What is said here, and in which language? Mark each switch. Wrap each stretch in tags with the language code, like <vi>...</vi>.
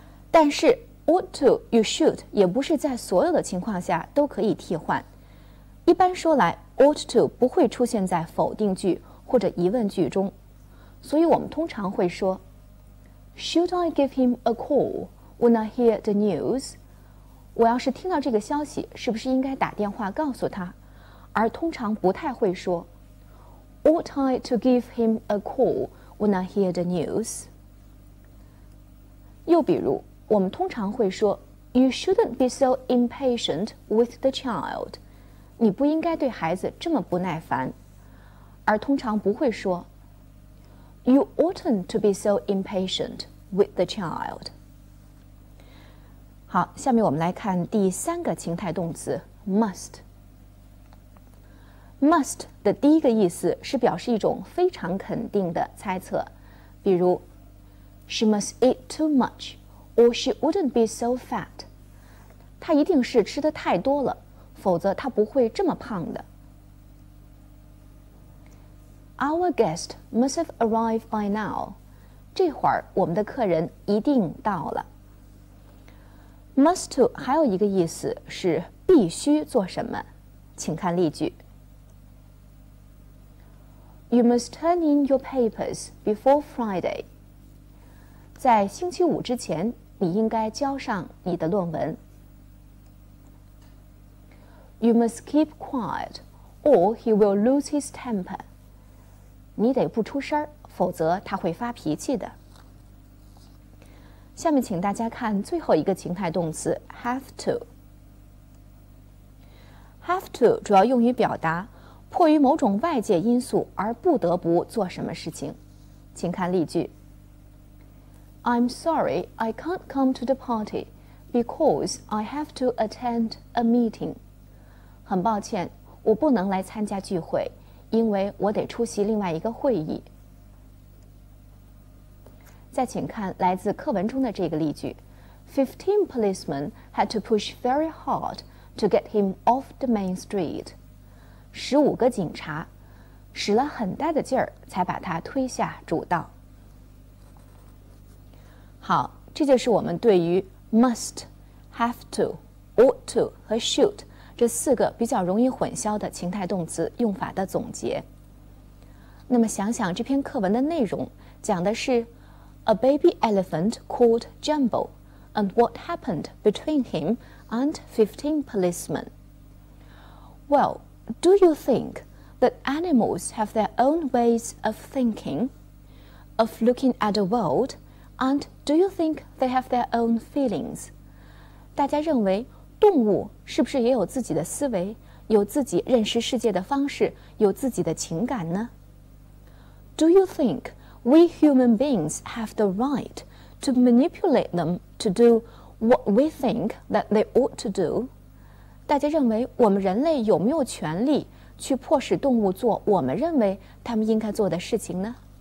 <zh>但是Ought to, you should 也不是在所有的情况下都可以替换。一般说来 ,ought to 不会出现在否定句或者疑问句中。所以我们通常会说</zh> <en>,should I give him a call when I hear the news?</en> <zh>我要是听到这个消息，是不是应该打电话告诉他？而通常不太会说</zh> <en>,ought I to give him a call when I hear the news?</en> <zh>又比如我们通常会说</zh> <en>You shouldn't be so impatient with the child.</en> <zh>你不应该对孩子这么不耐烦。</zh> <en>而通常不会说 You oughtn't to be so impatient with the child.</en> <zh>好，下面我们来看第三个情态动词 must。</zh> <en>Must</en> <zh>的第一个意思是表示一种非常肯定的猜测，比如</zh> <en>，She must eat too much, or she wouldn't be so fat.</en> <zh>她一定是吃得太多了，否则她不会这么胖的。</zh> <en>Our guest must have arrived by now.</en> <zh>这会儿我们的客人一定到了。 Must to 还有一个意思是必须做什么，请看例句。</zh> <en>You must turn in your papers before Friday.</en> <zh>在星期五之前，你应该交上你的论文。</zh> <en>You must keep quiet, or he will lose his temper.</en> <zh>你得不出声，否则他会发脾气的。下面请大家看最后一个情态动词 have to。 Have to 主要用于表达迫于某种外界因素而不得不做什么事情，请看例句。</zh> <en>I'm sorry, I can't come to the party because I have to attend a meeting.</en> <zh>很抱歉，我不能来参加聚会，因为我得出席另外一个会议。再请看来自课文中的这个例句。</zh> <en>15 policemen had to push very hard to get him off the main street.</en> <zh>十五个警察使了很大的劲儿才把他推下主道。好，这就是我们对于 must, have to, ought to 和 should 这四个比较容易混淆的情态动词用法的总结。那么想想这篇课文的内容，讲的是</zh> <en>A baby elephant called Jumbo and what happened between him and 15 policemen. Well,Do you think that animals have their own ways of thinking, of looking at the world, and do you think they have their own feelings?</en> <zh>大家认为动物是不是也有自己的思维，有自己认识世界的方式，有自己的情感呢？</zh> <en>Do you think we human beings have the right to manipulate them to do what we think that they ought to do?</en> <zh>大家认为我们人类有没有权利去迫使动物做我们认为他们应该做的事情呢？</zh>